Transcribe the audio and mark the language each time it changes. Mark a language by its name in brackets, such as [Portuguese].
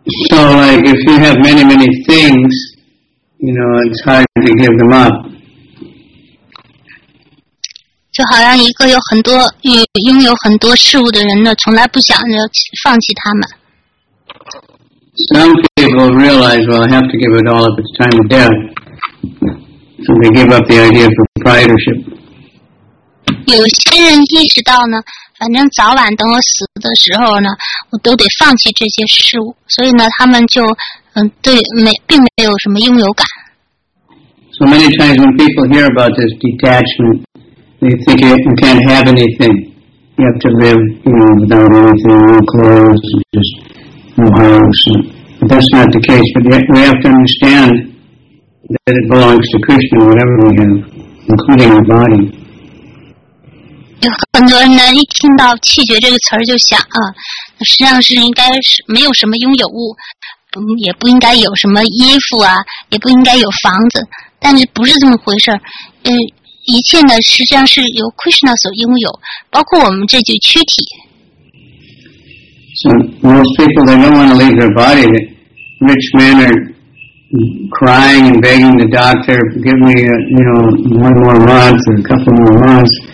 [English] So, like, if you have many, many things, you know, it's hard to give them up. [Chinese] 就好像一个有很多拥有很多事物的人呢，从来不想着放弃他们。 [English] Some people realize, well, I have to give it all up. It's time to death. So they give up the idea of proprietorship. [Chinese] 有些人意识到呢。反正早晚等我死的时候呢，我都得放弃这些事物，所以呢，他们就对并没有什么拥有感。 [English] So many times when people hear about this detachment, they think you can't have anything. You have to live, you know, without anything, no clothes, just no house. But that's not the case. But we have to understand that it belongs to Krishna, whatever we have, including our body. [Chinese] 有很多人呢，一听到"气绝"这个词儿就想啊，实际上是应该是没有什么拥有物，也不应该有什么衣服啊，也不应该有房子。但是不是这么回事儿，一切呢实际上是由 Krishna 所拥有，包括我们这具躯体。 [English] So most people they don't want to leave their body. Rich men are crying and begging the doctor, give me one more month or a couple more months.